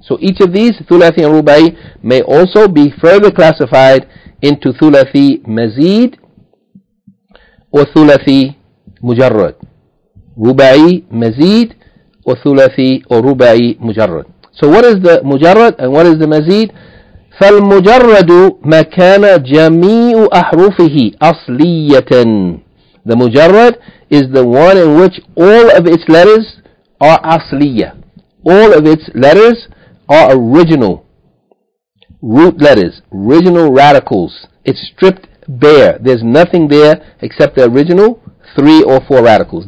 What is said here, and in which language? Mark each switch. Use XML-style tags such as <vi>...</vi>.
<en>So each of these, thulathi and ruba'i, may also be further classified into thulathi mazid or thulathi mujarrad. Ruba'i mazid or thulathi or ruba'i mujarrad. So what is the mujarrad and what is the mazid?</en> <ar>فَالْمُجَرَّدُ مَكَانَ جَمِيعُ أَحْرُفِهِ أَصْلِيَّةً.</ar> <en>The mujarrad is the one in which all of its letters are asliya. All of its letters are original. root letters, original radicals. It's stripped bare. There's nothing there except the original three or four radicals.</en>